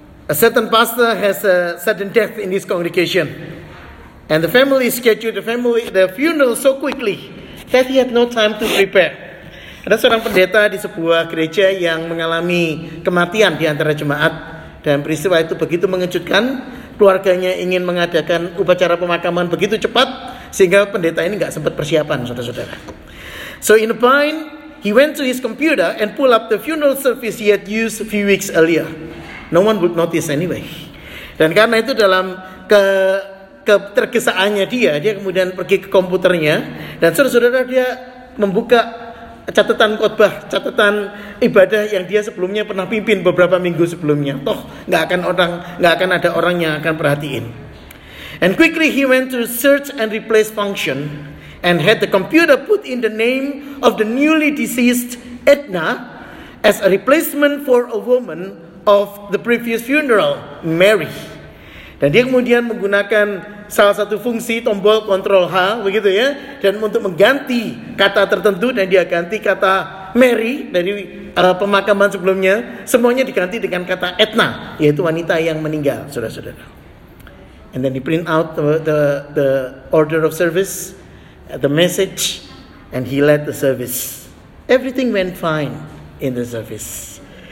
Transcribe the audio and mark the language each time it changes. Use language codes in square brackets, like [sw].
[en] A certain pastor has a sudden death in his congregation. And the family scheduled the funeral so quickly that he had no time to prepare. [id] Ada seorang pendeta di sebuah gereja yang mengalami kematian di antara jemaat. Dan peristiwa itu begitu mengejutkan. Keluarganya ingin mengadakan upacara pemakaman begitu cepat. Sehingga pendeta ini gak sempat persiapan, saudara-saudara. [en] So in a bind, he went to his computer and pulled up the funeral service he had used a few weeks earlier. No one would notice anyway. [id] Dan karena itu dalam ketergesaannya dia kemudian pergi ke komputernya. Dan saudara-saudara, dia membuka catatan khotbah, catatan ibadah yang dia sebelumnya pernah pimpin beberapa minggu sebelumnya. Toh, gak akan ada orang yang akan perhatiin. [en] And quickly he went to search and replace function and had the computer put in the name of the newly deceased Edna as a replacement for a woman of the previous funeral, Mary. [id] Dan dia kemudian menggunakan salah satu fungsi tombol Control H begitu ya, dan untuk mengganti kata tertentu, dan dia ganti kata Mary dari pemakaman sebelumnya, semuanya diganti dengan kata Edna, yaitu wanita yang meninggal, saudara-saudara. [en] And then he print out the order of service, the message, and he led the service. Everything went fine in the service.